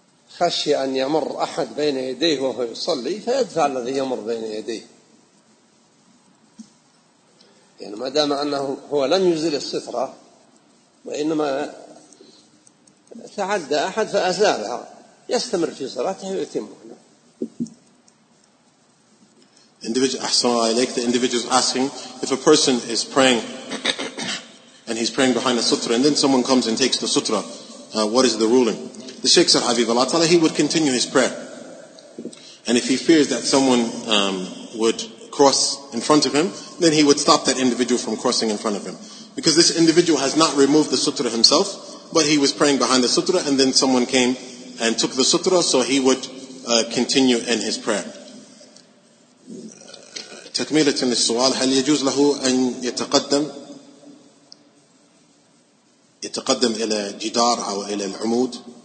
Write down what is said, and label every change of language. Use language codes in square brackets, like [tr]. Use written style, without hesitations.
[ar] خشي أن يمر أحد بين يديه وهو يصلي فيدفع الذي يمر بين يديه، يعني ما دام أنه هو لم يزل السفرة وإنما تعدى أحد فأزالها يستمر في صلاته ويتمه. [en] Individuals asking if a person is praying and he's praying behind a sutra and then someone comes and takes the sutra, what is the ruling? The Sheikh said, Habibullah Ta'ala, he would continue his prayer. And if he fears that someone would cross in front of him, then he would stop that individual from crossing in front of him. Because this individual has not removed the sutra himself, but he was praying behind the sutra and then someone came and took the sutra, so he would continue in his prayer. [ar] تكملة للسؤال هل يجوز له أن يتقدم إلى جدار أو إلى العمود؟